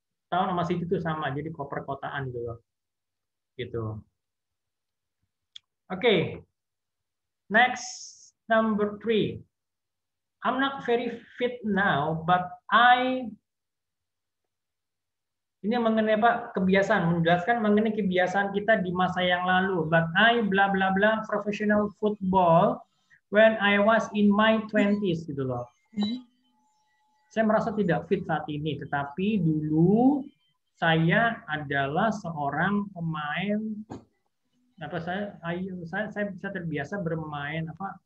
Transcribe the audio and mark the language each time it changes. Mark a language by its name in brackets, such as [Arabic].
[Indonesian] Town sama city itu sama, jadi perkotaan gitu loh. Gitu. Oke. Okay. [English] Next number 3. I'm not very fit now, but I [Indonesian] ini mengenai apa? Kebiasaan, menjelaskan mengenai kebiasaan kita di masa yang lalu. [English] But I blah blah blah professional football when I was in my 20s gitu loh. [Indonesian] Saya merasa tidak fit saat ini, tetapi dulu saya adalah seorang pemain apa saya terbiasa bermain apa?